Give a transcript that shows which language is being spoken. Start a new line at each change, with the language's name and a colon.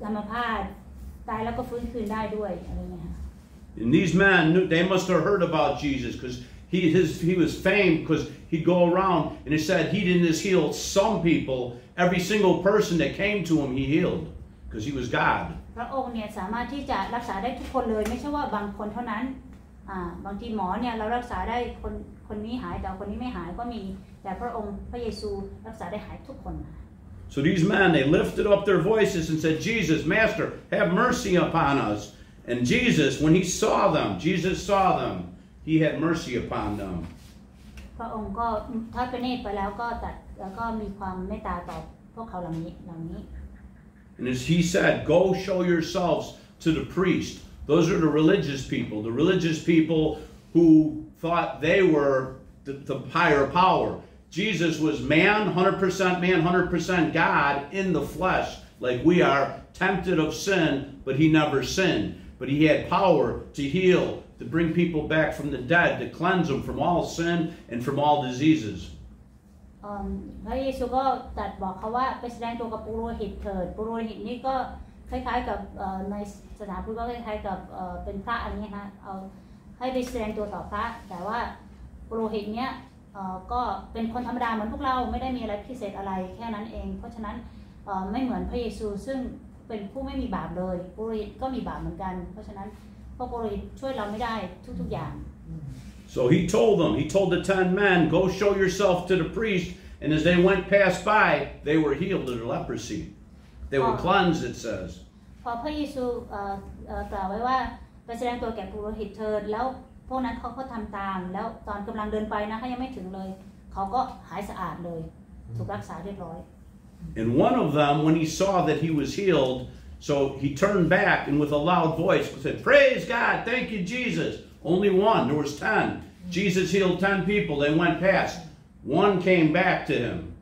Thai: พาตตายแล้วก็ฟื้นคืนได้ด้วยอะไรเงี้ย
English: And these men knew, they must have heard about Jesus because he was famed because he'd go around and it said he didn't just heal some people every single person that came to him he healed because he was God
Thai: พระองค์เนี่ยสามารถที่จะรักษาได้ทุกคนเลยไม่ใช่ว่าบางคนเท่านั้นบางทีหมอเนี่ยเรารักษาได้คนนี้หายแต่คนนี้ไม่หายก็มีแต่พระองค์พระเยซูรักษาได้หายทุกคน
English: So these men they lifted up their voices and said Jesus Master have mercy upon us and Jesus when he saw them Jesus saw them he had mercy upon them
Thai: พระองค์ก็ทอดพระเนตรไปแล้วก็ตัดแล้วก็มีความเมตตาต่อพวกเขาเหล่านี้
English: And as he said go show yourselves to the priest those are the religious people who thought they were the higher powerJesus was man, 100% man, 100% God in the flesh, like we are, tempted of sin, but he never sinned. But he had power to heal, to bring people back from the dead, to cleanse them from all sin and from all diseases.
Thai: พระเยซูก็ตรัสบอกเขาว่าไปแสดงตัวกับปุโรหิตเถิดปุโรหิตนี่ก็คล้ายๆกับในศาสนาพุทธก็คล้ายๆกับเป็นพระอันนี้ฮะเอาให้ไปแสดงตัวต่อพระแต่ว่าปุโรหิตเนี้ยก็เป็นคนธรรมดาเหมือนพวกเราไม่ได้มีอะไรพิเศษอะไรแค่นั้นเองเพราะฉะนั้นไม่เหมือนพระเยซูซึ่งเป็นผู้ไม่มีบาปเลยปุโรหิตก็มีบาปเหมือนกันเพราะฉะนั้นพวกปุโรหิตช่วยเราไม่ได้ทุกๆอย่าง
English: So he told them he told the 10 men go show yourself to the priest and as they went past by they were healed of their leprosy they were cleansed it says
Thai: พอพระเยซูกล่าวไว้ว่าไปแสดงตัวแก่ปุโรหิตเถิดแล้วพวกนั้นเขาก็ทำตามแล้วตอนกำลังเดินไปนะคะยังไม่ถึงเลยเขาก็หายสะอาดเลยถูกรักษาเรียบร้อย
English: And one of them when he saw that he was healed so he turned back and with a loud voice said praise God thank you Jesus only one there was 10 Jesus healed 10 people they went past one came back to him